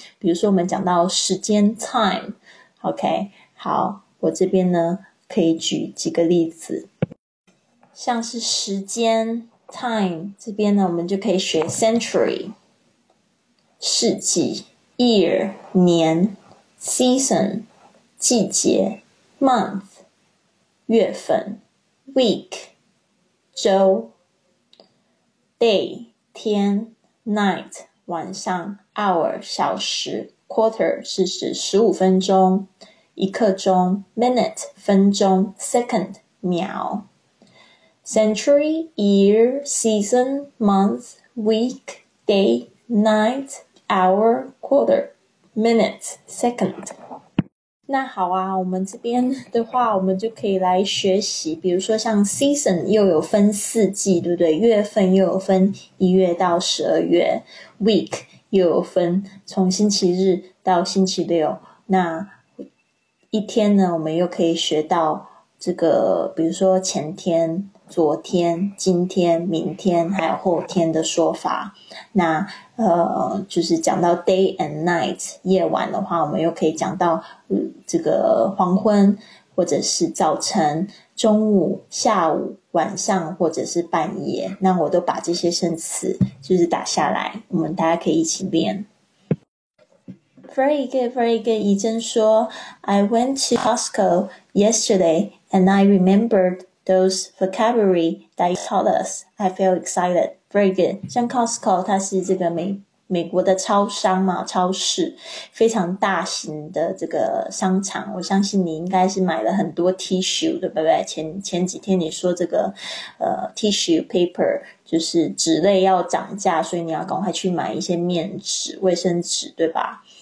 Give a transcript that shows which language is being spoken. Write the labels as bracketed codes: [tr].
[zh] 比如说我们讲到时间 time， OK， 好，我这边呢可以举几个例子，像是时间 time 这边呢，我们就可以学 century 世纪， year 年，season 季节， month 月份， week 周， day 天， night 晚上， hour 小时， quarter 是指15分钟，一刻钟， minute 分钟， second 秒。 [en] century, year, season, month, week, day, night, hour, quarter,Minutes, second. [zh] 那好啊，我们这边的话我们就可以来学习，比如说像 season 又有分四季，对不对？月份又有分一月到十二月， week 又有分从星期日到星期六，那一天呢我们又可以学到这个，比如说前天、昨天、今天、明天还有后天的说法。那就是讲到 [en] day and night [zh] 夜晚的话，我们又可以讲到这个黄昏或者是早晨、中午、下午、晚上或者是半夜。那我都把这些生词就是打下来，我们大家可以一起练。 [en] Very good, very good. [zh] 怡珍说 [en] I went to Costco yesterday and I rememberedThose vocabulary that you taught us, I feel excited. Very good. [zh] 像 Costco, 它是这个美国的超商嘛，超市，非常大型的这个商场。我相信你应该是买了很多 tissue, 对不对？前几天你说这个tissue paper, 就是纸类要涨价，所以你要赶快去买一些面纸、卫生纸，对吧？